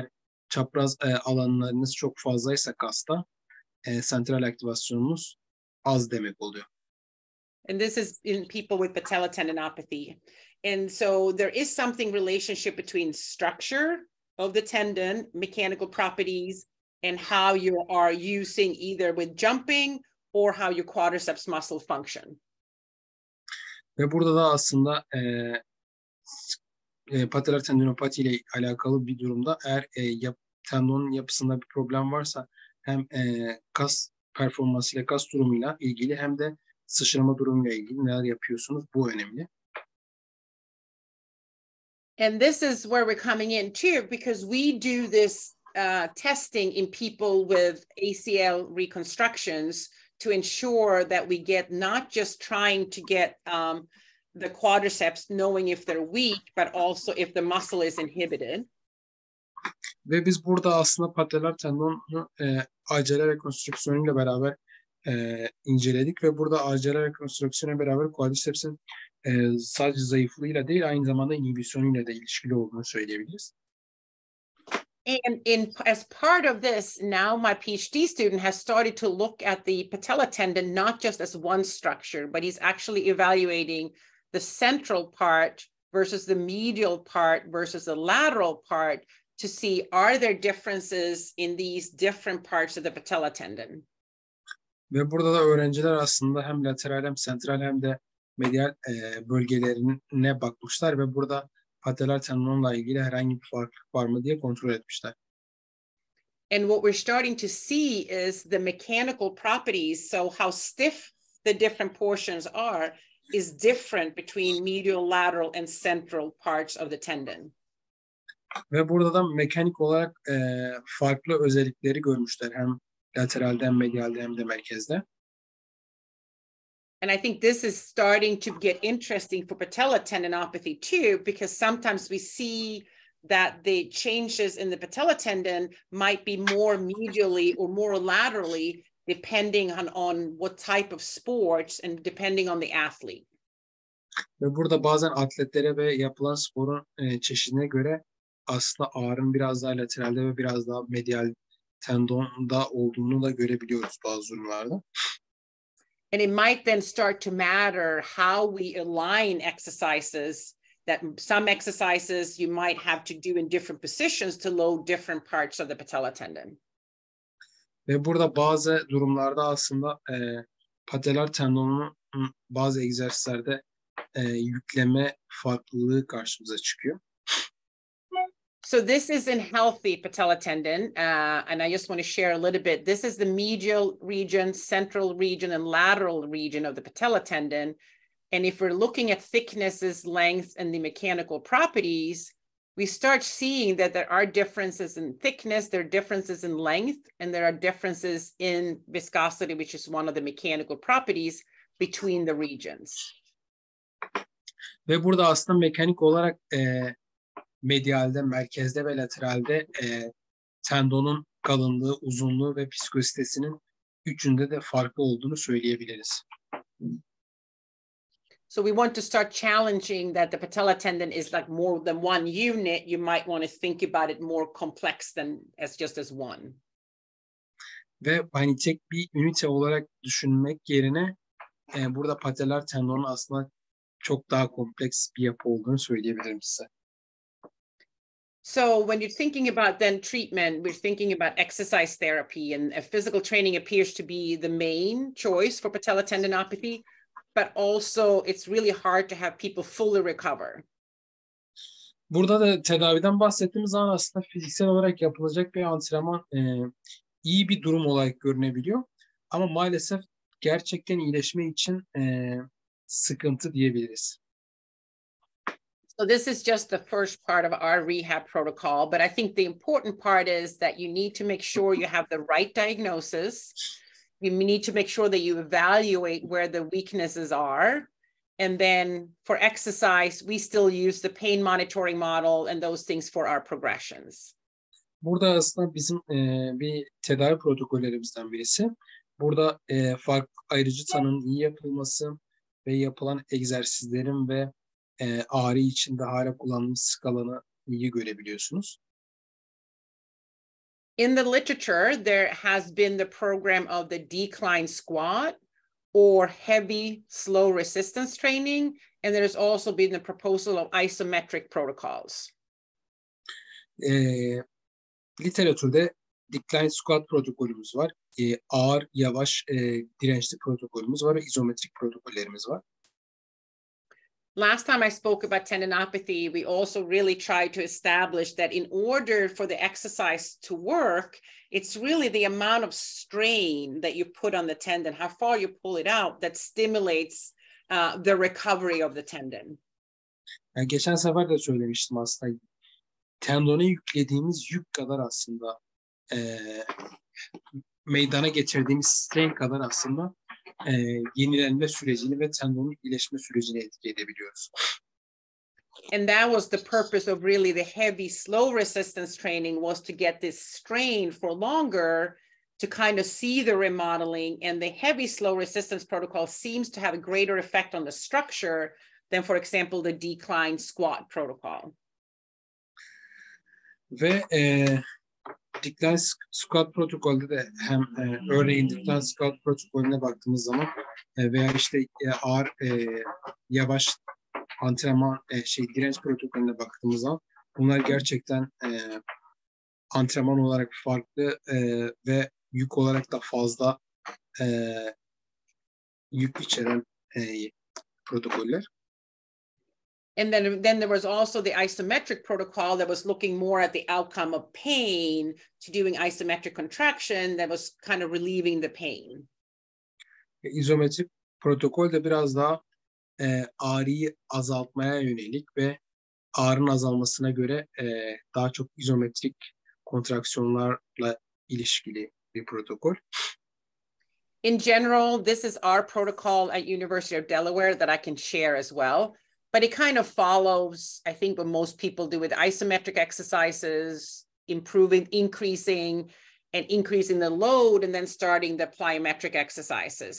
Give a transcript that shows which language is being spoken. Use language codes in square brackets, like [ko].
[tr] Eğer çapraz alanlarınız çok fazlaysa kasta central aktivasyonunuz az demek oluyor. [en] And this is in people with patellar tendinopathy. And so there is something relationship between structure of the tendon, mechanical properties, and how you are using either with jumping or how your quadriceps muscle function. [tr] Ve burada da aslında patellar tendinopati ile alakalı bir durumda. Eğer tendonun yapısında bir problem varsa hem kas performansıyla, kas durumuyla ilgili hem de sıçrama durumuyla ilgili neler yapıyorsunuz? Bu önemli. [en] And this is where we're coming in too, because we do this testing in people with ACL reconstructions to ensure that we get not just trying to get the quadriceps knowing if they're weak, but also if the muscle is inhibited. [tr] Ve biz burada aslında patellar tendonunu acele rekonstrüksiyonuyla beraber inceledik ve burada acele rekonstrüksiyona beraber quadricepsin sadece zayıflığıyla değil aynı zamanda inhibisyonuyla da ilişkili olduğunu söyleyebiliriz. [en] And in as part of this, now my PhD student has started to look at the patella tendon not just as one structure, but he's actually evaluating the central part versus the medial part versus the lateral part to see are there differences in these different parts of the patella tendon. [tr] Ve burada da öğrenciler aslında hem lateral hem sentral hem de medial bölgelerine bakmışlar ve burada patellar tendonla ilgili herhangi bir farklılık var mı diye kontrol etmişler. [en] And what we're starting to see is the mechanical properties, so how stiff the different portions are, is different between medial, lateral and central parts of the tendon. [tr] Ve burada da mekanik olarak farklı özellikleri görmüşler hem lateralde hem medialde hem de merkezde. [en] And I think this is starting to get interesting for patella tendinopathy too, because sometimes we see that the changes in the patella tendon might be more medially or more laterally depending on what type of sports and depending on the athlete. [tr] Ve burada bazen atletlere ve yapılan sporun çeşidine göre aslında ağrının biraz daha lateralde ve biraz daha medial tendonda olduğunu da görebiliyoruz bazı durumlarda. [en] And it might then start to matter how we align exercises, that some exercises you might have to do in different positions to load different parts of the patella tendon. [tr] Ve burada bazı durumlarda aslında patellar tendonunun bazı egzersizlerde yükleme farklılığı karşımıza çıkıyor. [en] So this is in healthy patella tendon, and I just want to share a little bit. This is the medial region, central region, and lateral region of the patella tendon. And if we're looking at thicknesses, length, and the mechanical properties, we start seeing that there are differences in thickness, there are differences in length, and there are differences in viscosity, which is one of the mechanical properties between the regions. [tr] Ve burada aslında mekanik olarak medialde, merkezde ve lateralde tendonun kalınlığı, uzunluğu ve psikositesinin üçünde de farklı olduğunu söyleyebiliriz. [en] So we want to start challenging that the patella tendon is like more than one unit. You might want to think about it more complex than as just as one. [tr] Ve hani tek bir ünite olarak düşünmek yerine burada patellar tendonun aslında çok daha kompleks bir yapı olduğunu söyleyebilirim size. [en] So when you're thinking about then treatment, we're thinking about exercise therapy, and physical training appears to be the main choice for patella tendinopathy, but also it's really hard to have people fully recover. [tr] Burada da tedaviden bahsettiğimiz zaman aslında fiziksel olarak yapılacak bir antrenman iyi bir durum olarak görünebiliyor. Ama maalesef gerçekten iyileşme için sıkıntı diyebiliriz. [en] So this is just the first part of our rehab protocol, but I think the important part is that you need to make sure you have the right diagnosis. You need to make sure that you evaluate where the weaknesses are. And then for exercise, we still use the pain monitoring model and those things for our progressions. [tr] Burada aslında bizim bir tedavi protokollerimizden birisi. Burada ayrıcı tanının iyi yapılması ve yapılan egzersizlerin ve ağrı içinde hala kullanılmış skalanı iyi görebiliyorsunuz. [en] In the literature, there has been the program of the decline squat or heavy slow resistance training, and there has also been the proposal of isometric protocols. [tr] Literatürde decline squat protokolümüz var, ağır yavaş dirençli protokolümüz var ve izometrik protokollerimiz var. [en] Last time I spoke about tendinopathy, we also really tried to establish that in order for the exercise to work, it's really the amount of strain that you put on the tendon, how far you pull it out, that stimulates the recovery of the tendon. [tr] Ya geçen sefer de söylemiştim aslında. Tendona yüklediğimiz yük kadar aslında meydana getirdiğimiz strain kadar aslında yenilenme sürecini ve tendonun iyileşme sürecini etki edebiliyoruz. [en] And that was the purpose of really the heavy slow resistance training, was to get this strain for longer to kind of see the remodeling, and the heavy slow resistance protocol seems to have a greater effect on the structure than for example the decline squat protocol. [tr] Ve decline squat protokolde de hem örneğin decline squat protokolüne baktığımız zaman veya işte ağır yavaş antrenman direnç protokolüne baktığımız zaman bunlar gerçekten antrenman olarak farklı ve yük olarak da fazla yük içeren protokoller. [en] And then there was also the isometric protocol that was looking more at the outcome of pain, to doing isometric contraction that was kind of relieving the pain. [tr] İzometrik protokol de biraz daha ağrıyı azaltmaya yönelik ve ağrının azalmasına göre daha çok izometrik kontraksiyonlarla ilişkili bir protokol. [en] In general, this is our protocol at University of Delaware that I can share as well. But it kind of follows, I think, what most people do with isometric exercises, increasing and increasing the load and then starting the plyometric exercises.